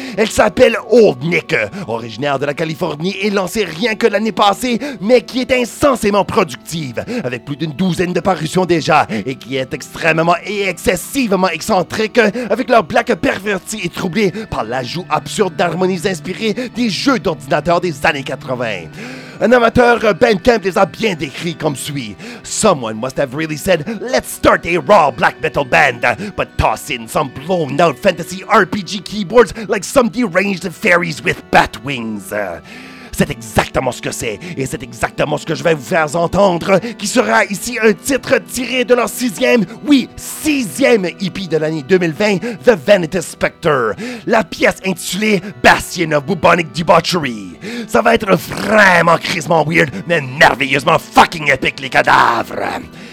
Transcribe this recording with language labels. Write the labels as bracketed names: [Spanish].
[French] Elle s'appelle Old Nick, originaire de la Californie et lancée rien que l'année passée, mais qui est insensément productive, avec plus d'une douzaine de parutions déjà, et qui est extrêmement et excessivement excentrique, avec leur black perverti et troublé par l'ajout absurde d'harmonies inspirées des jeux d'ordinateur des années 80. An amateur Bandcamp les a bien décrits comme suit. [English] Someone must have really said, let's start a raw black metal band, but toss in some blown out fantasy RPG keyboards like some deranged fairies with bat wings. [French] C'est exactement ce que c'est, et c'est exactement ce que je vais vous faire entendre, qui sera ici un titre tiré de leur sixième EP de l'année 2020, The Vanitas Spectre, la pièce intitulée Bastion of Bubonic Debauchery. Ça va être vraiment crissement weird, mais merveilleusement fucking épique les cadavres.